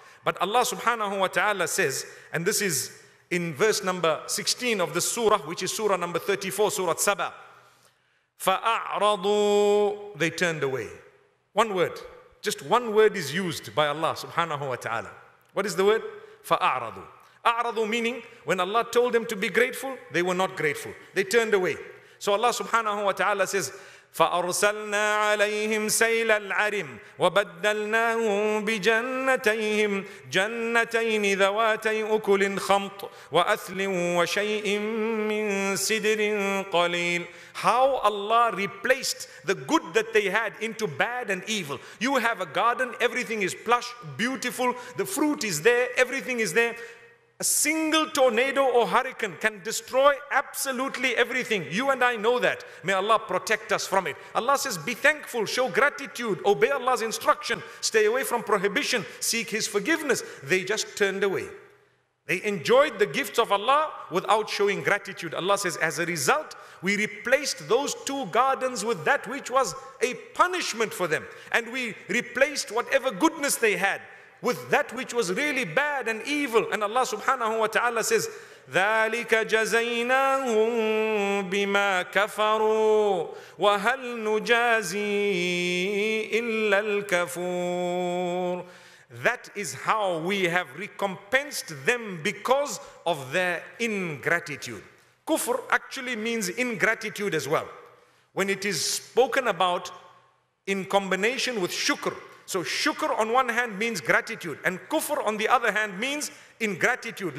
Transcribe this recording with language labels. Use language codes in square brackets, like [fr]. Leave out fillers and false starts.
[en] But Allah subhanahu wa ta'ala says, and this is in verse number 16 of the surah, which is surah number 34, Surah Saba. فَأَعْرَضُوا, they turned away. One word, just one word is used by Allah subhanahu wa ta'ala. What is the word? فَأَعْرَضُوا. أَعْرَضُوا meaning, when Allah told them to be grateful, they were not grateful. They turned away. So Allah subhanahu wa ta'ala says, [ar] فَأَرْسَلْنَا عَلَيْهِمْ سَيْلَ الْعَرِمِ وَبَدَّلْنَاهُمْ بِجَنَّتَيْهِمْ جَنَّتَيْنِ ذَوَاتَيْ أُكُلٍ خَمْطٍ وَأَثْلٍ وَشَيْءٍ مِّن سِدْرٍ قَلِيلٍ. [en] How Allah replaced the good that they had into bad and evil. You have a garden, everything is plush, beautiful, the fruit is there, everything is there. A single tornado or hurricane can destroy absolutely everything. You and I know that. May Allah protect us from it. Allah says, be thankful, show gratitude, obey Allah's instruction, stay away from prohibition, seek His forgiveness. They just turned away. They enjoyed the gifts of Allah without showing gratitude. Allah says, as a result, we replaced those two gardens with that which was a punishment for them. And we replaced whatever goodness they had with that which was really bad and evil. And Allah subhanahu wa ta'ala says, [ar] ذَلِكَ جَزَيْنَاهُمْ بِمَا كَفَرُوا وَهَلْ نُجَازِي إِلَّا الْكَفُورُ. [en] That is how we have recompensed them because of their ingratitude. Kufr actually means ingratitude as well. When it is spoken about in combination with shukr, so shukr on one hand means gratitude, and kufr on the other hand means ingratitude.